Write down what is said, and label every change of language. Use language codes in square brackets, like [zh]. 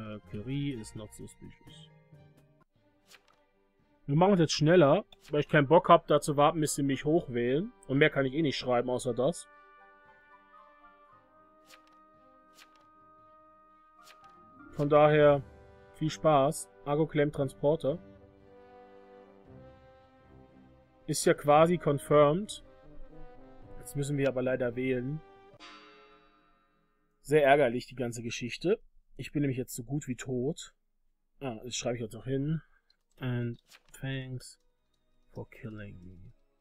[en] Curie is not suspicious. [de] Wir machen es jetzt schneller, weil ich keinen Bock habe, da zu warten, bis sie mich hochwählen. Und mehr kann ich eh nicht schreiben, außer das. Von daher, viel Spaß. Argo Claim Transporter. Ist ja quasi confirmed. Jetzt müssen wir aber leider wählen. Sehr ärgerlich, die ganze Geschichte. Ich bin nämlich jetzt so gut wie tot. Ah, das schreibe ich jetzt auch hin. [en] And thanks for killing me.